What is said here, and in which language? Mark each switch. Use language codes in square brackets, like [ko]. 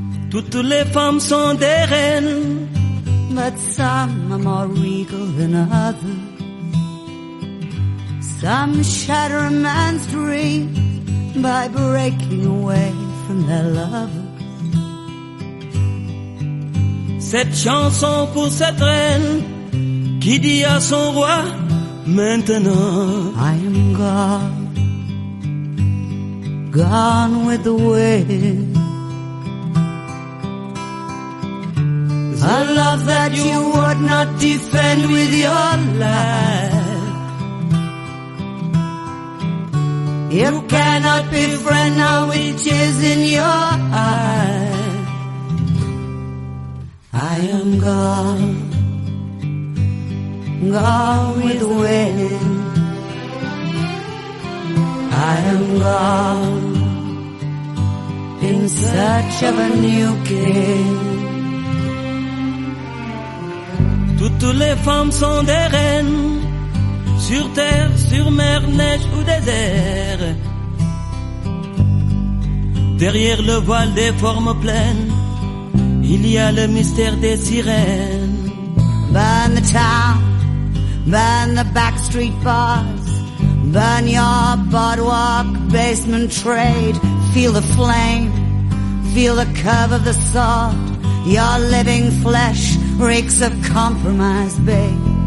[fr] toutes les femmes sont des reines. [en] But some are more regal than others. Some shatter a man's dreams by breaking away from their lover. [fr] Cette chanson pour cette reine qui dit à son roi maintenant, [en] I am gone, gone with the wind. A love that you would not defend with your life. You cannot be friend now with tears in your eye. I am gone, gone with the wind. I am gone in search of a new king. [fr] Toutes les femmes sont des reines, sur terre, sur mer, neige ou désert. Derrière le voile des formes pleines, il y a le mystère des sirènes. [en] Burn the town, burn the back street bars. Burn your boardwalk, basement trade. Feel the flame, feel the curve of the sword. Your living flesh reeks of compromise, babe.